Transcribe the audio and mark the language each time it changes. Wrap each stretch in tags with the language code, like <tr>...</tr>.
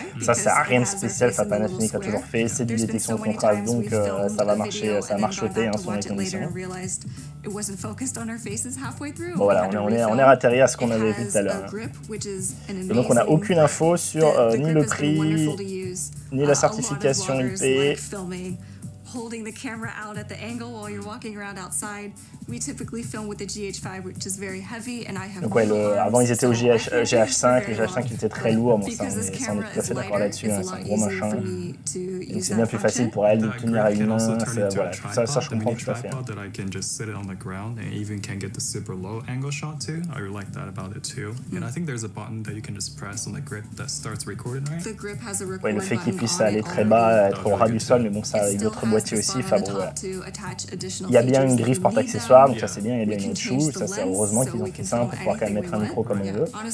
<fr>ça sert à rien de spécial, ça Panasonic a square. Toujours fait, c'est du détection de contraste, donc ça va marcher, ça a marchoté hein, sur les conditions. Bon voilà, on est raterri à ce qu'on avait vu tout à l'heure. Et donc on n'a aucune info sur ni le prix, ni la certification IP.</fr> <en>Holding the camera out at the angle while you're walking around outside. We typically film with the GH5, which is very heavy, and I have.</en> <fr>Donc ouais, avant ils étaient au GH5, le GH5 qui était très lourd, mais bon, ça on est tout à fait d'accord là-dessus, hein, c'est un gros machin. Donc c'est bien plus facile pour elle de tenir à une main, voilà, ça je comprends tout à fait.</fr> <en>That I can just sit it on the ground and even can get the super low angle shot too. I really like that about it too. And I think there's a button that you can just press on the grip that starts recording, right? The grip has a recording.</en> <fr>Ouais, le fait qu'il puisse aller très bas, être au ras du sol, mais bon, ça avec d'autres boîtier aussi, il y a bien une griffe porte accessoire, donc ça c'est bien, il y a bien une chou, ça c'est heureusement qu'ils ont fait ça pour pouvoir quand même mettre un micro comme on veut.</fr>